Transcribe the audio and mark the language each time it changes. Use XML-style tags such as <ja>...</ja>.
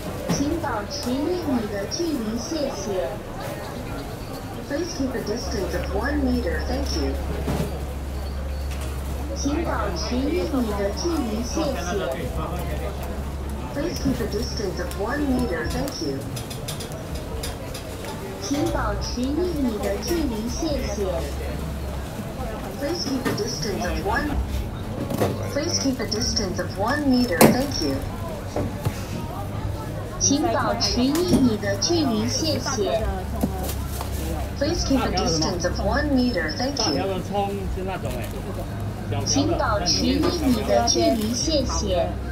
<zh>请保持一米的距离，谢谢。</zh> <en>Please keep a distance of 1 meter, thank you.</en> <zh>请保持一米的距离，谢谢。</zh> <en>Please keep a distance of 1 meter, thank you.</en> <zh>请保持一米的距离，谢谢。</zh> <en>Please keep a distance of 1. Please keep a distance of 1 meter, thank you.</en> <zh>请保持一米的距离，谢谢。</zh> <en>Please keep a distance of 1 meter, thank you.</en> <zh>请保持一米的距离，谢谢。</zh>